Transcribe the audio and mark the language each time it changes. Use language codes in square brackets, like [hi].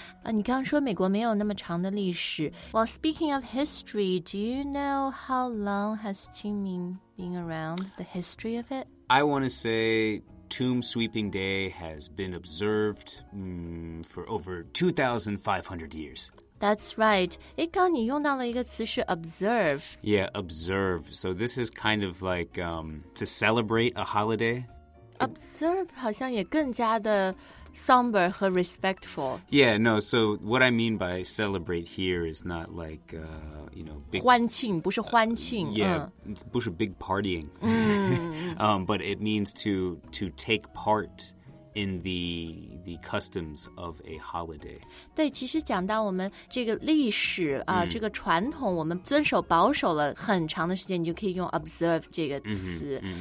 [zh] 你刚刚说美国没有那么长的历史。 [en] Well, speaking of history, do you know how long has 清明 been around, the history of it? I want to say... Tomb Sweeping Day has been observed for over 2,500 years. That's right. [zh] 诶，刚你用到了一个词是 observe. [en] Yeah, observe. So this is kind of like to celebrate a holiday. [zh] Observe 好像也更加的 somber 和 respectful. [en] Yeah, no. So what I mean by celebrate here is not like, you know, [zh] big... 欢庆，不是欢庆。 [en] Yeah, it's 不是 big partying. But it means to take part in the customs of a holiday. [zh] 对，其实讲到我们这个历史啊，这个传统，我们遵守保守了很长的时间，你就可以用 observe 这个词。